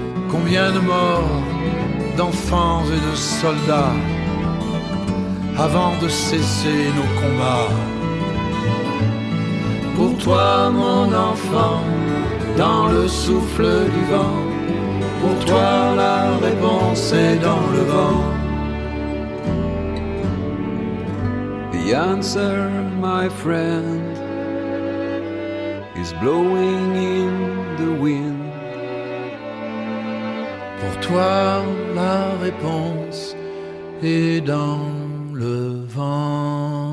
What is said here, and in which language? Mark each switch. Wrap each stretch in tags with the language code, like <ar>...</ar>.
<fr>Combien de morts, d'enfants et de soldats avant de cesser nos combats? Pour toi, mon enfant, dans le souffle du vent, pour toi, la réponse est dans le vent.</fr> <en>The answer, my friend, is blowing in the wind.</en> <fr>Pour toi, la réponse est dans le vent.</fr>